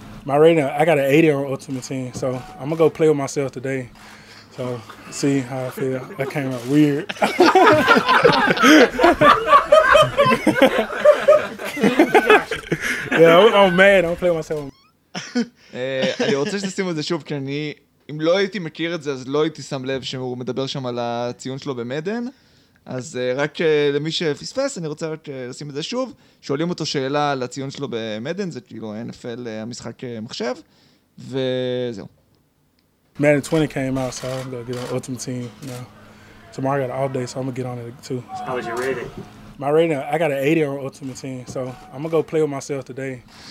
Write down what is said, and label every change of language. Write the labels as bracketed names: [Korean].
[English] My rating, I got an 80 on ultimate team, so I'm going to go play with myself today. So, see how I feel. That came out weird. Yeah, I'm mad. I'm going to play with myself. [Hebrew] אני רוצה שתשימו את זה שוב, כי אני, אם לא הייתי מכיר את זה, אז לא הייתי שם לב שהוא מדבר שם על הציון שלו במדן. אז רק למי שפספס, אני רוצה רק לשים את זה שוב. שואלים אותו שאלה על הציון שלו במדן, זה כאילו NFL המשחק מחשב, וזהו. [English] Madden 20 came out, so I'm going to get on Ultimate Team now. Tomorrow I got an off day, so I'm going to get on it too. How was your rating? My rating, I got an 80 on Ultimate Team, so I'm going to go play with myself today.